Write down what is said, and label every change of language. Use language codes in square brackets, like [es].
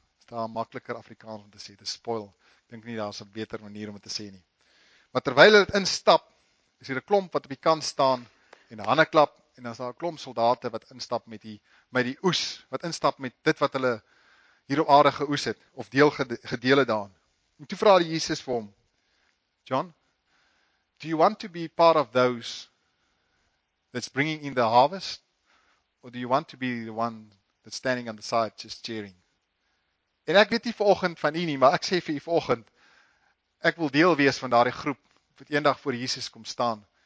[af] Daar makliker Afrikaans om te sê, dis spoil. Ek dink nie daar is 'n beter manier om dit te sê nie. Maar terwyl hulle dit instap, is hier 'n klomp wat op die kant staan en hande klap, en dan is daar 'n klomp soldate wat instap met die oes, wat instap met dit wat hulle hier op aarde geoes het, of gedeel het daan. En toe vra Jesus vir hom, [en] John, do you want to be part of those that's bringing in the harvest, or do you want to be the one that's standing on the side just cheering? [af] En ek weet nie vanoggend van u nie, maar ek sê vir u vanoggend, ek wil deel wees van daardie groep wat eendag voor Jesus kom staan.